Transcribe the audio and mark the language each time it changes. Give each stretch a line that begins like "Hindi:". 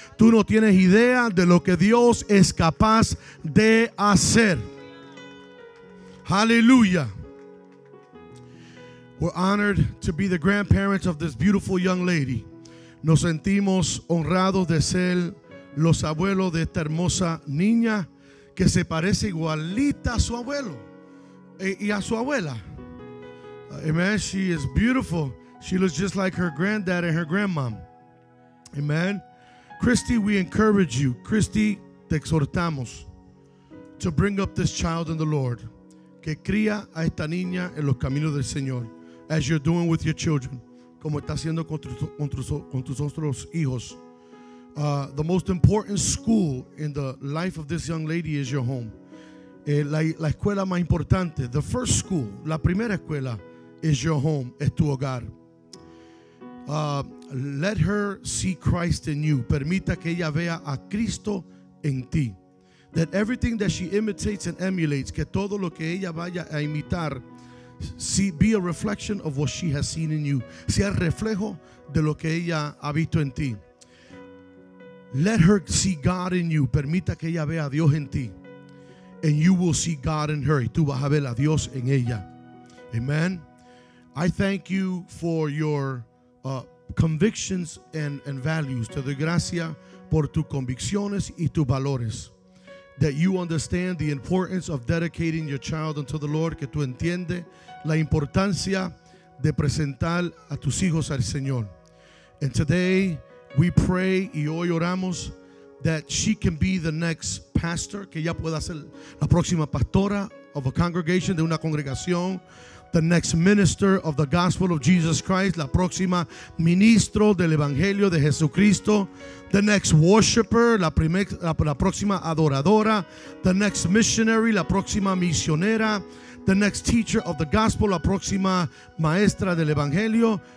Spanish: Tú no tienes idea de lo que Dios es capaz de hacer. Hallelujah.
English: We're honored to be the grandparents of this beautiful young lady.
Spanish: Nos sentimos honrados de ser los abuelos de esta hermosa niña que se parece igualita a su abuelo y a su abuela.
English: Amen. She is beautiful. She looks just like her granddad and her grandmom. Amen. Christy, we encourage you. Christy,
Spanish: te exhortamos
English: to bring up this child in the Lord.
Spanish: Que cría a esta niña en los caminos del Señor.
English: As you're doing with your children.
Spanish: Como está haciendo con tus otros hijos.
English: The most important school in the life of this young lady is your home.
Spanish: La escuela más importante,
English: the first school,
Spanish: la primera escuela,
English: is your home,
Spanish: es tu hogar.
English: Let her see Christ in you.
Spanish: Permita que ella vea a Cristo en ti.
English: That everything that she imitates and emulates,
Spanish: que todo lo que ella vaya a imitar,
English: see, be a reflection of what she has seen in you.
Spanish: Sea reflejo de lo que ella ha visto en ti.
English: Let her see God in you.
Spanish: Permita que ella vea a Dios en ti.
English: And you will see God in her.
Spanish: Y tú vas a ver a Dios en ella. Amen.
English: I thank you for your convictions and values.
Spanish: Te doy gracias por tus convicciones y tus valores.
English: That you understand the importance of dedicating your child unto the Lord.
Spanish: Que tú entiendes la importancia de presentar a tus hijos al Señor.
English: And today we pray
Spanish: y hoy oramos
English: that she can be the next pastor.
Spanish: Que ella pueda ser la próxima pastora
English: of a congregation,
Spanish: de una congregación.
English: The next minister of the gospel of Jesus Christ.
Spanish: La próxima ministro del evangelio de Jesucristo.
English: The next worshiper,
Spanish: la próxima adoradora.
English: The next missionary,
Spanish: la próxima misionera.
English: The next teacher of the gospel,
Spanish: la próxima maestra del evangelio.